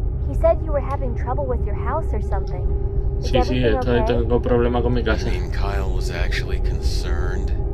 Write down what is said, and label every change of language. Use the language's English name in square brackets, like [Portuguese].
[English] He said you were having trouble with your house or something. [Spanish] Sí, sí, estoy teniendo un problema con mi casa. [English] Kyle was actually concerned.